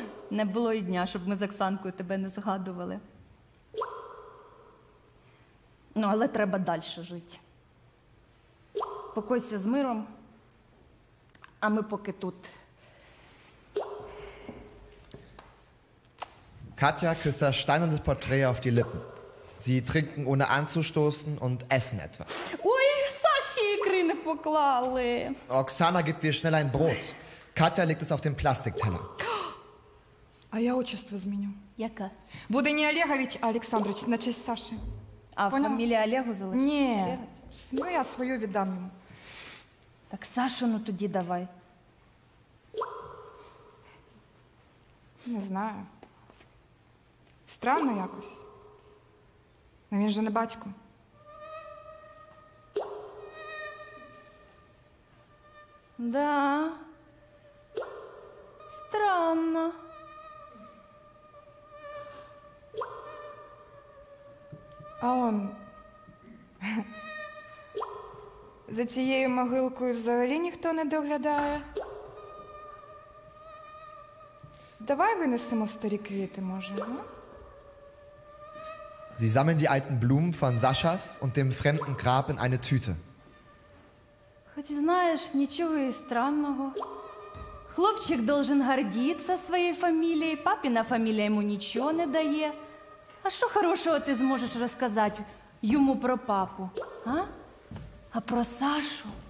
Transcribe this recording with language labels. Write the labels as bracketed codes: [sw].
[uk] Не було і дня, щоб ми з Оксанкою тебе не згадували. Ну, але треба далі жити. Покойся з миром, а ми поки тут. [de] Katja küsst das steinerne Porträt auf die Lippen. Sie trinken ohne anzustoßen und essen etwas. [uk] Ui, Sashi, Ikrine poklali. [de] Oksana gibt dir schnell ein Brot. Katja legt es auf den Plastikteller. [uk] А я отчество зміню. Яка? Буде не Олегович Олександрович, на честь Саши. А фамілія Олегу залишить? Ні. Ну, я свою віддам йому. Так Сашину тоді давай. Не знаю. Странно якось. Но він же не батько. Да. Странно. А он за цією могилкою взагалі ніхто не доглядає. Давай винесемо старі квіти, може, ну? [de] Sie sammeln die alten Blumen von Saschas und dem fremden Grab in eine Tüte. [uk] Хоч знаєш, нічого і странного. Хлопчик должен гордиться своєю фамілією, папіна фамілія йому нічого не дає. А що хорошого ти зможеш розказати йому про папу, а? А про Сашу?